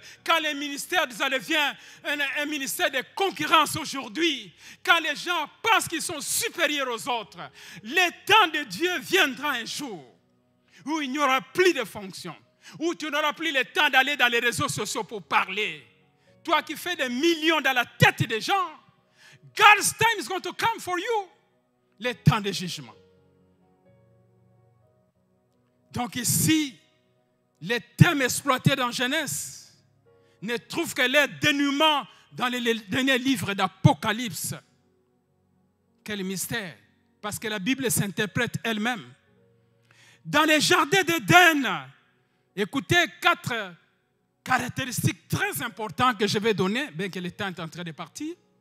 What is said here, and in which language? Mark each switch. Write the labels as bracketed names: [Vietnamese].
[French] Quand le ministère devient un ministère de concurrence aujourd'hui. Quand les gens pensent qu'ils sont supérieurs aux autres. Le temps de Dieu viendra un jour où il n'y aura plus de fonction. Où tu n'auras plus le temps d'aller dans les réseaux sociaux pour parler. Toi qui fais des millions dans la tête des gens. [English] God's time is going to come for you. [French] Le temps de jugement. Donc ici, les thèmes exploités dans Genèse ne trouvent que leur dénouement dans les derniers livres d'Apocalypse. Quel mystère! Parce que la Bible s'interprète elle-même. Dans les jardins d'Éden, écoutez quatre caractéristiques très importantes que je vais donner, bien que le temps est en train de partir.